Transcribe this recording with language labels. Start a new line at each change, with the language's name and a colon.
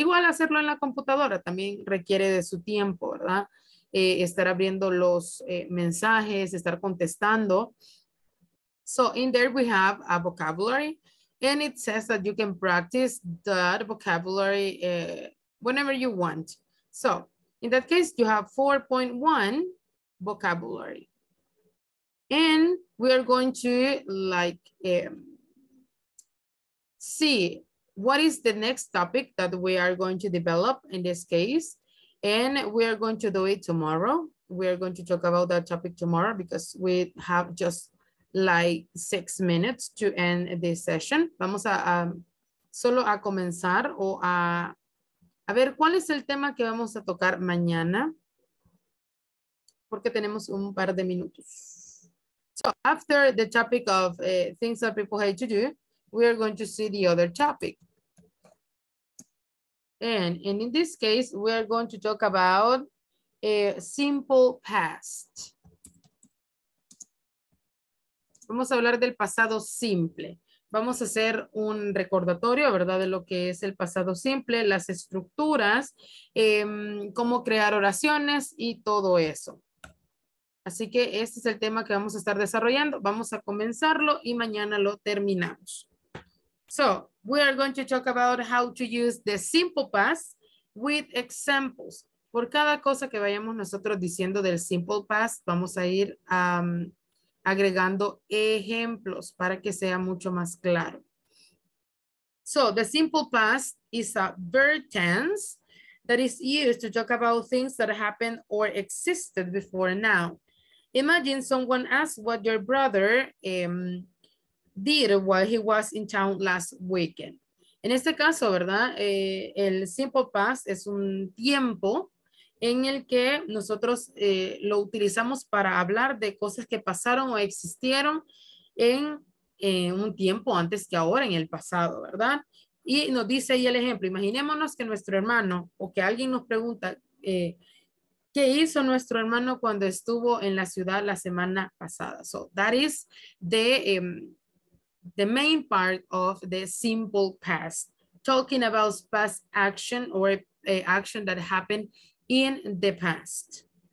Spanish: Igual hacerlo en la computadora también requiere de su tiempo, ¿verdad? Estar abriendo los mensajes, estar contestando.
English: So in there we have a vocabulary and it says that you can practice that vocabulary whenever you want. So in that case, you have 4.1 vocabulary. And we are going to like see what is the next topic that we are going to develop in this case. And we are going to do it tomorrow. We are going to talk about that topic tomorrow because we have just like 6 minutes to end this session.
Spanish: Vamos a solo a comenzar o a ver cuál es el tema que vamos a tocar mañana. Porque tenemos un par de minutos.
English: So after the topic of things that people hate to do, we are going to see the other topic. And in this case, we are going to talk about a simple past.
Spanish: Vamos a hablar del pasado simple. Vamos a hacer un recordatorio, ¿verdad? De lo que es el pasado simple, las estructuras, cómo crear oraciones y todo eso. Así que este es el tema que vamos a estar desarrollando. Vamos a comenzarlo y mañana lo terminamos.
English: So, we are going to talk about how to use the simple past with examples.
Spanish: Por cada cosa que vayamos nosotros diciendo del simple past, vamos a ir agregando ejemplos para que sea mucho más claro.
English: So, the simple past is a verb tense that is used to talk about things that happened or existed before now. Imagine someone asks what your brother did while he was in town last weekend.
Spanish: En este caso, ¿verdad? El simple past es un tiempo en el que nosotros lo utilizamos para hablar de cosas que pasaron o existieron en un tiempo antes que ahora, en el pasado, ¿verdad? Y nos dice ahí el ejemplo. Imaginémonos que nuestro hermano o que alguien nos pregunta ¿qué hizo nuestro hermano cuando estuvo en la ciudad la semana pasada?
English: So, that is the the main part of the simple past, talking about past action or action that happened in the past.